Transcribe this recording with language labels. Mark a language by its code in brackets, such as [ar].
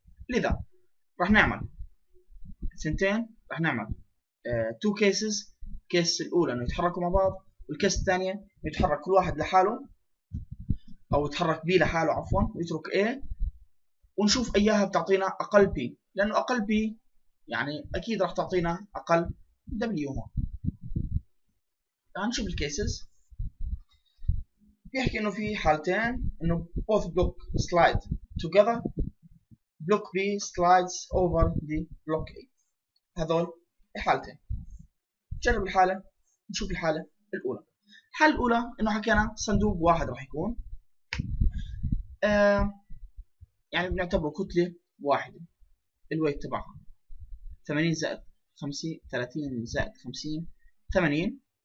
[ar] لذا راح نعمل سنتين، راح نعمل two cases، الكيس الأولى إنه يتحركوا مع بعض، والكيس الثانية يتحرك كل واحد لحاله أو يتحرك B لحاله عفوا ويترك A، ونشوف أياها بتعطينا أقل B، لأنه أقل B يعني أكيد راح تعطينا أقل W هون. الآن نشوف الكيسز، بيحكي إنه في حالتين إنه [en] both block slide together، block B slides over the block A، [ar] هذول الحالتين. نجرب الحالة، نشوف الحالة الأولى. الحالة الأولى إنه حكينا صندوق واحد راح يكون يعني بنعتبره كتلة واحدة، الويت تبعها 80 زائد 50، 30 زائد 50 80.